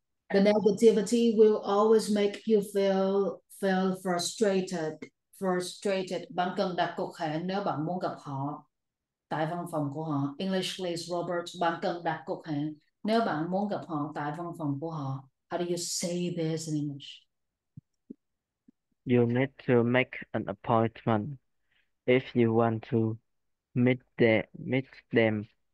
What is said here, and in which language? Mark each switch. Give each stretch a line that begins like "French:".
English: The negativity will always make you feel frustrated. Frustrated.
Vietnamese: Bạn cần đặt cọc hẹn nếu bạn muốn gặp họ tại văn phòng của họ.
English: English please, Robert.
Vietnamese: Bạn cần đặt cọc hẹn nếu bạn muốn gặp họ tại văn phòng của họ.
English: How do you say this in English? You need to make an appointment if you want to meet them